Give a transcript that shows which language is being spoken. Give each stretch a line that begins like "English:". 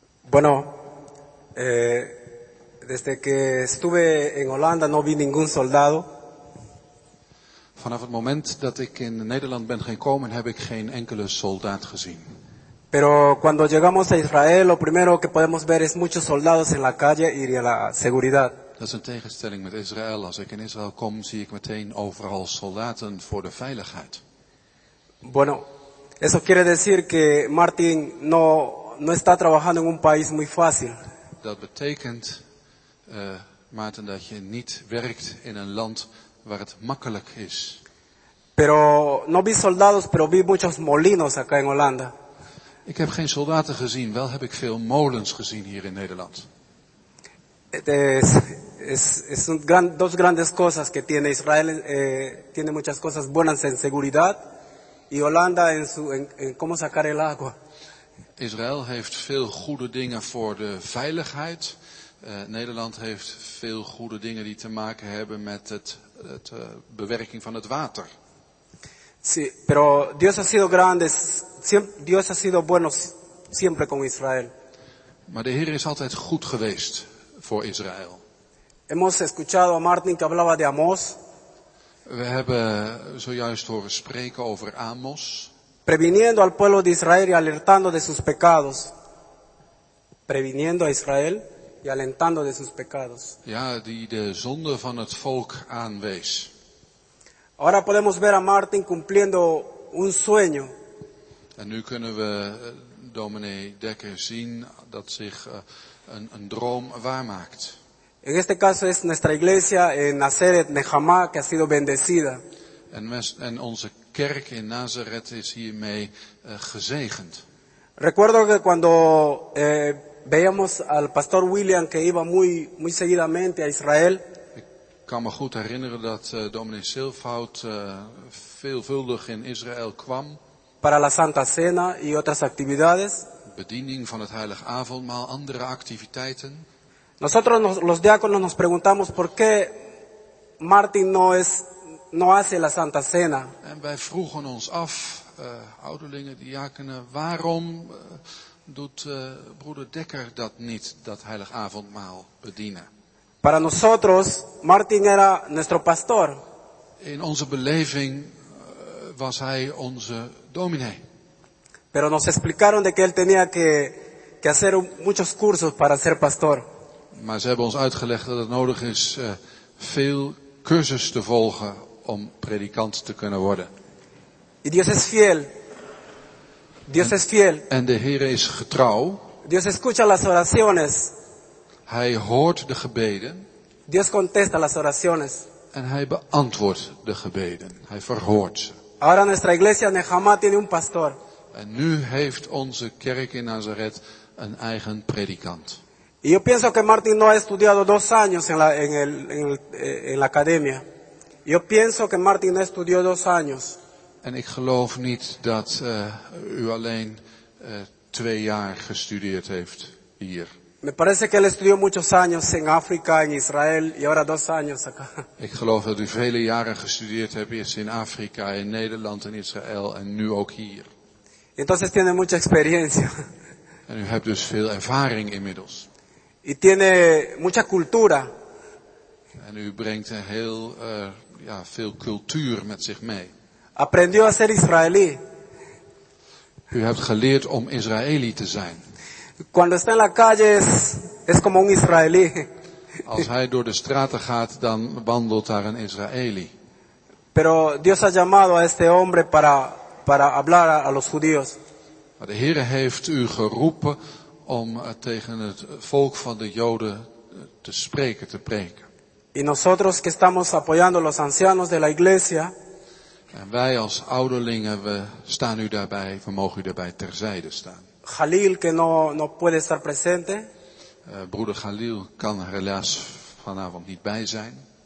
Spanish: Bueno, desde que estuve en Holanda no vi ningún soldado.
Dutch: Vanaf het moment dat ik in Nederland ben gekomen, heb ik geen enkele soldaat gezien.
Spanish: Pero cuando llegamos a Israel, lo primero que podemos ver es muchos soldados en la calle y la seguridad.
Dutch: Dat is een tegenstelling met Israël. Als ik in Israël kom, zie ik meteen overal soldaten voor de veiligheid.
Spanish: Bueno, eso quiere decir que Martin no está trabajando en un país muy fácil.
Dutch: Dat betekent, Maarten, dat je niet werkt in een land waar het makkelijk is.
Spanish: Pero no vi soldados, pero vi muchos molinos acá en Holanda.
Dutch: Ik heb geen soldaten gezien, wel heb ik veel molens gezien hier in Nederland.
Spanish: Es un gran, dos grandes cosas que tiene Israel, tiene muchas cosas buenas en seguridad y Holanda en su en cómo sacar el agua.
Dutch: Israel heeft veel goede dingen voor de veiligheid. Nederland heeft veel goede dingen die te maken hebben met het bewerking van het water.
Spanish: Sí, pero Dios ha sido grande, siempre, Dios ha sido bueno siempre con Israel.
Dutch: Maar de Heer is altijd goed geweest voor Israël.
Spanish: Hemos escuchado a Martin que hablaba de Amós.
Dutch: We hebben zojuist horen spreken over Amós.
Spanish: Previniendo al pueblo de Israel y alertando de sus pecados. Previniendo a Israel y alentando de sus pecados.
Dutch: Ja, die de zonde van het volk aanwees.
Spanish: Ahora podemos ver a Martin cumpliendo un sueño.
Dutch: En nu kunnen we dominee Dekker zien dat zich een droom waarmaakt.
Spanish: En este caso es nuestra iglesia en Nazaret, Nehamá, que ha sido bendecida.
Dutch: En onze kerk in Nazaret is hiermee gezegend.
Spanish: Recuerdo que cuando veíamos al pastor William que iba muy, muy seguidamente a Israel.
Dutch: Ik kan me goed herinneren dat dominee Silfhout veelvuldig in Israël kwam.
Spanish: Para la Santa Cena y otras actividades.
Dutch: Bediening van het Heilig Avondmaal, andere activiteiten.
Spanish: Nosotros los diáconos nos preguntamos por qué Martin no hace la Santa Cena.
Dutch: En wij vroegen ons af, ouderlingen, diakenen, waarom doet broeder Dekker dat niet, dat Heilig Avondmaal bedienen?
Spanish: Para nosotros, Martin era nuestro pastor.
Dutch: In onze beleving was hij onze dominee.
Spanish: Pero nos explicaron de que él tenía que hacer muchos cursos para ser pastor.
Dutch: Maar ze hebben ons uitgelegd dat het nodig is veel cursus te volgen om predikant te kunnen worden.
Spanish: Y Dios es fiel. Dios es fiel.
Dutch: En de Heer is getrouw.
Spanish: Dios escucha las oraciones.
Dutch: Hij hoort de gebeden.
Spanish: Dios contesta las oraciones.
Dutch: En hij beantwoordt de gebeden. Hij verhoort ze.
Spanish: Ahora nuestra iglesia en Nehamá tiene un pastor.
Dutch: En nu heeft onze kerk in Nazaret een eigen predikant.
Spanish: Y yo pienso que Martin no ha estudiado dos años en la en el en el en la academia. Yo pienso que Martin no estudió dos años.
Dutch: En ik geloof niet dat u alleen twee jaar gestudeerd heeft hier.
Spanish: Me parece que él estudió muchos años en África, en Israel y ahora dos años acá.
Dutch: Ik geloof dat u vele jaren gestudeerd hebt eerst in Afrika, in Nederland, in Israël en nu ook hier.
Spanish: Entonces tiene mucha experiencia.
Dutch: En u hebt dus veel ervaring inmiddels.
Spanish: Y tiene mucha cultura.
Dutch: En u brengt een heel veel cultuur met zich mee.
Spanish: Aprendió a ser israelí.
Dutch: U hebt geleerd om Israëli te zijn.
Spanish: Cuando está en la calle es como un israelí.
Dutch: Als hij door de straten gaat, dan wandelt daar een Israëli.
Spanish: Pero Dios ha llamado a este hombre para hablar a los judíos.
Dutch: Maar de Heere heeft u geroepen om tegen het volk van de Joden te spreken, te preken.
Spanish: Y nosotros que estamos apoyando los ancianos de la iglesia.
Dutch: En wij als ouderlingen, we staan u daarbij, we mogen u daarbij terzijde staan.
Spanish: Khalil que no puede estar presente.
Dutch: Broeder Khalil kan helaas vanavond niet bij zijn.